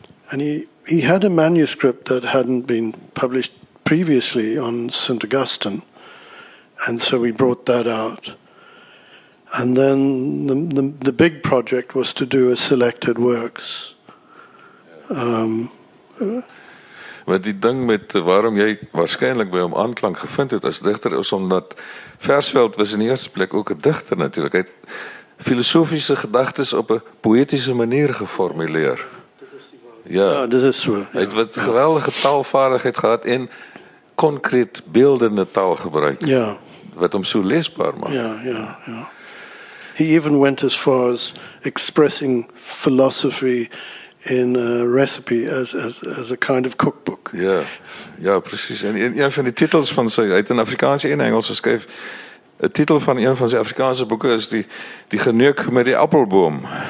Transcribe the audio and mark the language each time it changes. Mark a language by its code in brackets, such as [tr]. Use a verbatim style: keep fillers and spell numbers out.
[en] And he, he had a manuscript that hadn't been published previously on Saint Augustine, and so we brought that out. And then the the, the big project was to do a selected works. Um [af] Want die ding met waarom jy waarskynlik by hom aanklank gevind het as digter is omdat Versveld was in die eerste plek ook 'n digter natuurlik. Hy het filosofiese gedagtes op 'n poëtiese manier geformuleer. Ja, ja dit is so. Ja. Hy het wat geweldige taalvaardigheid gehad en konkreet beeldende taal gebruik. Ja. Wat hom so leesbaar maak. Ja, ja, ja. [en] He even went as far as expressing philosophy in a recipe as as as a kind of cookbook. [af] Ja. Ja, presies. En een, een van die titels van sy uit in Afrikaans en Engels geskryf. 'n Titel van een van sy Afrikaanse boeke is die die geneuk met die appelboom.